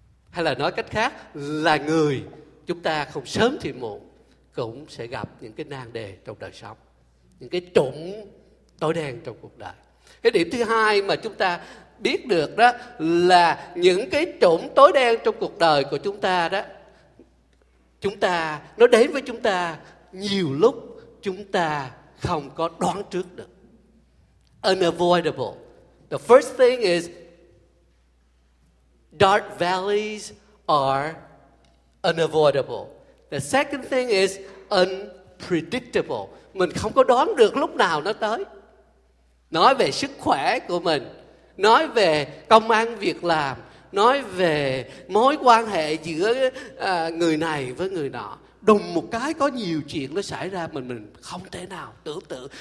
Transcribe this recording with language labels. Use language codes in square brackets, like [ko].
[vi] Hay là nói cách khác là người chúng ta không sớm thì muộn cũng sẽ gặp những cái nan đề trong đời sống, những cái trũng tối đen trong cuộc đời. Cái điểm thứ hai mà chúng ta biết được đó là những cái trũng tối đen trong cuộc đời của chúng ta đó, chúng ta, nó đến với chúng ta nhiều lúc chúng ta không có đoán trước được. [en] Unavoidable. The first thing is dark valleys are unavoidable. The second thing is unpredictable. [vi] Mình không có đoán được lúc nào nó tới. Nói về sức khỏe của mình, nói về công ăn việc làm, nói về mối quan hệ giữa người này với người nọ. Đùng một cái có nhiều chuyện nó xảy ra, mình không thể nào tưởng tượng.